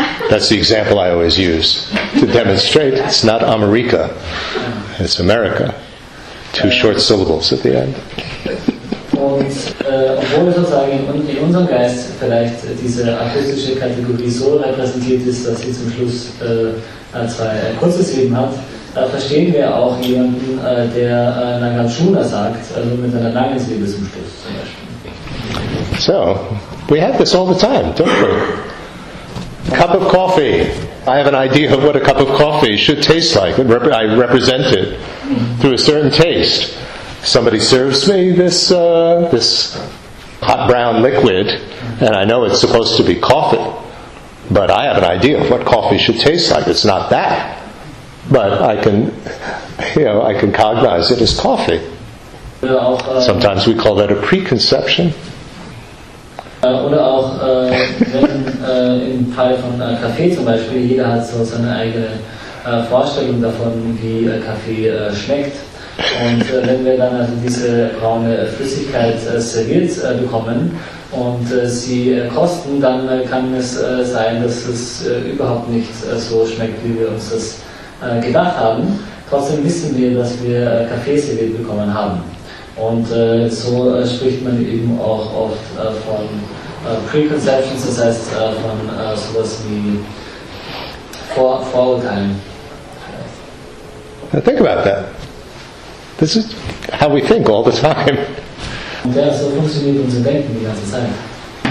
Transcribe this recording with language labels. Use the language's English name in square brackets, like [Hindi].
[English] That's the example I always use to demonstrate it's not Amerika, it's America. Two short syllables at the end. [German] Und obwohl sozusagen in unserem Geist vielleicht diese akustische Kategorie so repräsentiert ist, dass sie zum Schluss zwei kurze Silben hat, verstehen wir auch jemanden, der Nagarjuna sagt, also mit einer langen Silbe zum Schluss zum Beispiel. [English] So, we have this all the time, don't we? Cup of coffee. I have an idea of what a cup of coffee should taste like. I represent it through a certain taste. Somebody serves me this this hot brown liquid, and I know it's supposed to be coffee, but I have an idea of what coffee should taste like. It's not that, but I can cognize it as coffee. Sometimes we call that a preconception. [German] Oder auch im Fall von Kaffee zum Beispiel, jeder hat so seine eigene Vorstellung davon, wie Kaffee schmeckt. Und wenn wir dann also diese braune Flüssigkeit serviert bekommen und sie kosten, dann kann es sein, dass es überhaupt nicht so schmeckt, wie wir uns das gedacht haben. Trotzdem wissen wir, dass wir Kaffee serviert bekommen haben. Und so spricht man eben auch oft von Preconceptions, das heißt von sowas wie Vorurteilen. [English] Now think about that. This is how we think all the time. [German] Und ja, so funktioniert unser Denken die ganze Zeit.